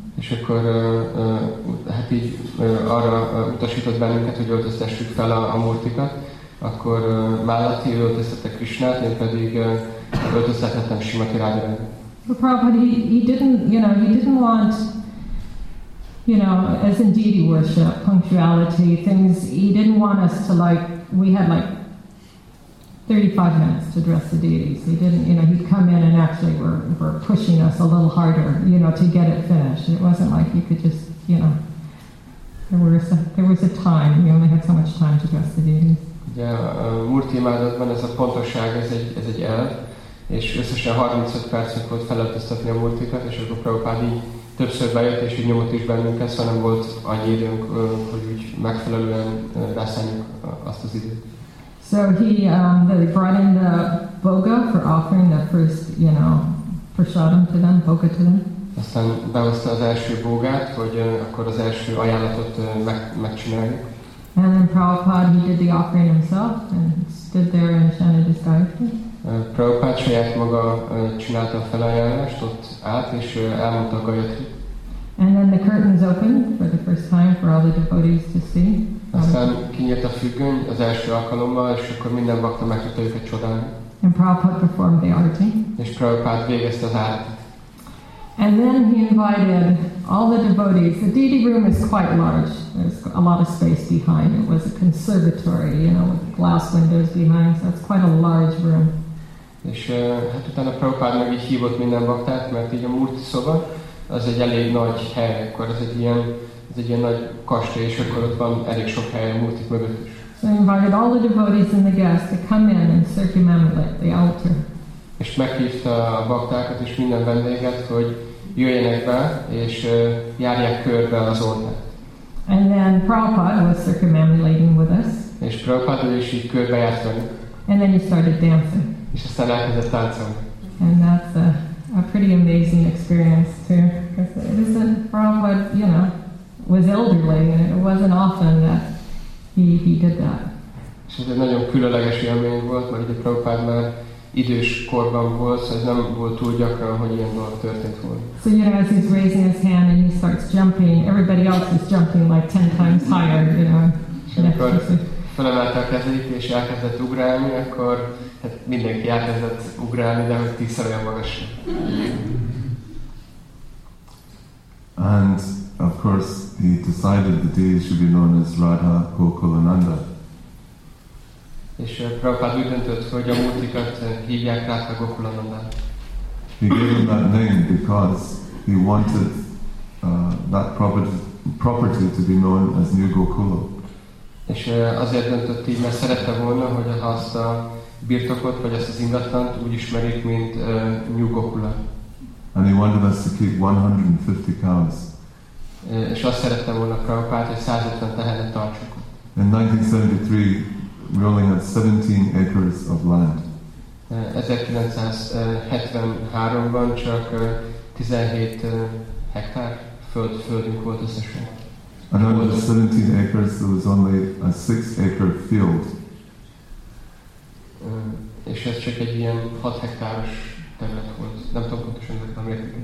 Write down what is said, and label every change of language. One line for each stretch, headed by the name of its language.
Hungarian: És akkor hát így arra utasított bennünket, hogy öltöztessük fel a murtikat. Akkor Malati öltöztette Krishnát, én pedig öltöztethettem Srimati Radharani.
English: But Prabhupada, he didn't want, as in deity worship, punctuality, things, he didn't want us to, like, we had like 35 minutes to dress the deities. He didn't, you know, he'd come in and actually were pushing us a little harder, you know, to get it finished. It wasn't like you could just, you know, there was a time, we only had so much time to dress the deities.
Hungarian: Ugye a murti imádatban ez a pontosság, ez egy elv, és összesen 35 percet volt felöltöztetni a murtikat, és akkor Prabhupada többször bejött, és így nyomott is bennünket, szóval nem volt annyi időnk, hogy úgy megfelelően rászálljunk azt az időt.
English: So he they brought in the boga for offering the first, you know, prasadam to them, boga to them.
Hungarian: Aztán behozta az első bogát, hogy akkor az első ajánlatot megcsináljuk.
English: And then Prabhupada, he did the offering himself and stood there and chanted his gayatri.
Hungarian: Prabhupada saját maga csinálta a felajánlást, ott állt, és elmondta a gayatri.
English: And then the curtains opened for the first time for all the devotees to see.
Hungarian: Aztán kinyílt a függöny az első alkalommal, és akkor minden bakta meg tudta őket csodálni.
English: And Prabhupada performed the arti.
Hungarian: És Prabhupada végezte az arti.
English: And then he invited all the devotees. The deity room is quite large. There's a lot of space behind. It was a conservatory, you know, with glass windows behind. So it's quite a large room.
Hungarian: És hát utána Prabhupada meg is hívott minden baktát, mert így a murti szoba, az egy elég nagy hely, akkor ez egy ilyen nagy kastély, és akkor ott van elég sok hely a murtik mögött is.
English: So he invited all the devotees and the guests to come in and circumambulate the altar.
Hungarian: És meghívta a baktákat és minden vendéget, hogy jöjjenek be, és járják körbe az oltárt.
English: And then Prabhupada was circumambulating with us.
Hungarian: És Prabhupada is így körbejárt velünk.
English: And then he started dancing.
Hungarian: És aztán elkezdett táncolni.
English: And that's a pretty amazing experience too. Because it isn't Prabhupada, you know, was elderly, and it wasn't often that he did that.
Hungarian: És ez egy nagyon különleges élmény volt, mert ugye Prabhupada már idős korban volt, szóval ez nem volt túl gyakran, hogy ilyen dolog történt volna.
English: So you know, as he's raising his hand and he starts jumping, everybody else is jumping like 10 times higher, you know.
Hungarian: Felemelte a kezét és elkezdett ugrálni, akkor hát mindenki elkezdett ugrálni, de hogy 10-szer olyan magas.
English: And of course, he decided the deity should be known as Radha Gokulananda.
Hungarian: És Prabhupada úgy döntött, hogy a murtikat hívják Radha Gokulananda.
English: He gave him that name because he wanted that property to be known as New Gokula.
Hungarian: És azért döntött így, mert szerette volna, hogy azt a birtokot, vagy ezt az ingatlant úgy ismerik, mint New Gokula.
English: And he wanted us to keep 150 cows.
Hungarian: És azt szerette volna Prabhupada, hogy 150 tehenet tartsuk.
English: In 1973, we only had 17 acres of land.
Hungarian: 1973-ban csak 17 hektár földünk volt összesen.
English: And out of the 17 acres, there was only a 6-acre field.
Hungarian: És ez csak egy ilyen 6 hektáros terület volt. Nem tudom pontosan, hogy nem értek egy